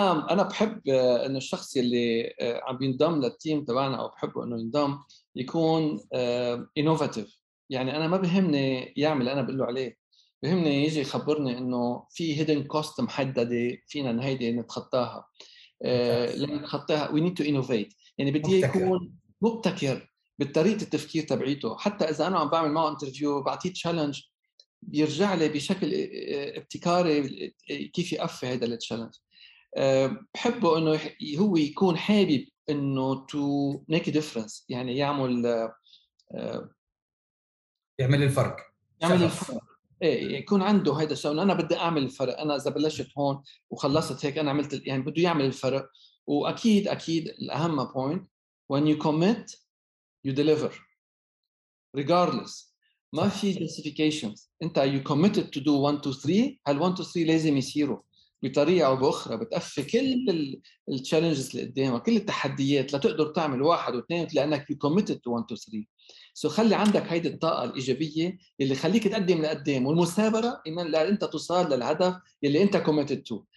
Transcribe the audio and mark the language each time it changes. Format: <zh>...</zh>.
<ar>أنا بحب إن الشخص اللي عم بينضم للتيم تبعنا أو بحبه إنه ينضم يكون innovative. يعني أنا ما بهمني يعمل أنا بقول له عليه، بهمني يجي يخبرني إنه في hidden cost محددة فينا نهيدي نتخطاها. لما نتخطاها</ar> <en>we need to innovate.</en> <ar>يعني بدي يكون مبتكر بالطريقة التفكير تبعيته. حتى إذا أنا عم بعمل معه انترفيو بعطيه تشالنج بيرجع لي بشكل ابتكاري كيف يقفي هذا التشالنج. بحبه إنه هو يكون حابب إنه</ar> <en>to make a difference.</en> <ar>يعني يعمل الفرق. إيه يكون عنده هيدا الشغل. أنا بدي أعمل الفرق. أنا إذا بلشت هون وخلصت هيك أنا عملت يعني بده يعمل الفرق. وأكيد الأهم</ar> <en>point when you commit you deliver regardless.</en> <ar>ما في justifications. أنت</ar> <en>you committed to do 1-2-3.</en> <ar>هال 1-2-3 لازم يصيروا بطريقة أو بأخرى بتقفي كل ال challenges اللي قدامك كل التحديات لتقدر تعمل 1 و2 لأنك</ar> <en>you committed to 1-2-3.</en> <ar>سو خلي عندك هيدي الطاقة الإيجابية اللي خليك تقدم لقدام والمثابرة إن أنت توصل للهدف اللي أنت</ar> <en>committed to.</en>